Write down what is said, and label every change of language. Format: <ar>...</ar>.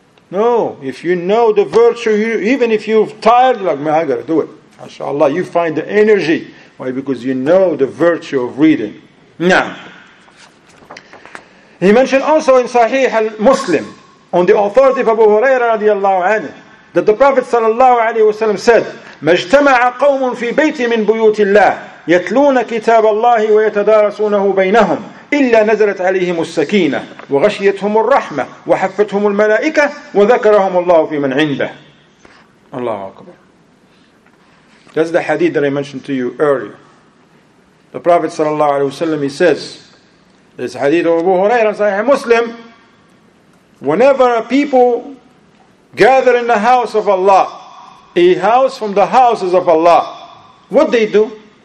<en>No, if you know the virtue, even if you're tired, like, man, I got to do it. MashaAllah, you find the energy. Why? Because you know the virtue of reading. Now, he mentioned also in Sahih al-Muslim, on the authority of Abu Huraira radiallahu anhu, that the Prophet sallallahu alaihi wasallam said,</en> <ar>مجتمع قوم في بيت من بيوت الله يتلون كتاب الله ويتدارسونه بينهم إلا نزلت عليهم السكينة وغشيتهم الرحمة وحفتهم الملائكة وذكرهم الله في من عنده. الله أكبر.</ar> <en>That's the hadith that I mentioned to you earlier. The Prophet</en> <ar>صلى الله عليه وسلم,</ar> <en>he says, this hadith of Abu Huraira, Sahih Muslim, whenever a people gather in the house of Allah, a house from the houses of Allah, what they do?</en>